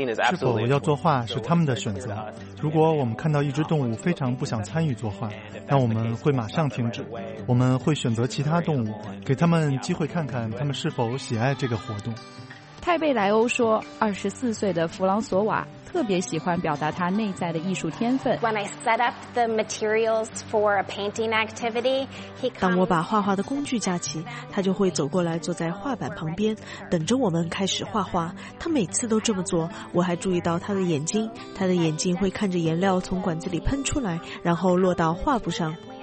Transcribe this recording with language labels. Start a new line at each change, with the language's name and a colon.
Chinese: 是否要作画是他们的选择，如果我们看到一只动物非常不想参与作画，那我们会马上停止，我们会选择其他动物，给他们机会看看他们是否喜爱这个活动。泰贝莱欧说，24岁的弗朗索瓦特别喜欢表达他内在的艺术天分。
English: When I set up the materials for a painting activity, he comes.
Chinese: 当我把画画的工具架起，他就会走过来，坐在画板旁边，等着我们开始画画。他每次都这么做。我还注意到他的眼睛，他的眼睛会看着颜料从管子里喷出来，然后落到画布上。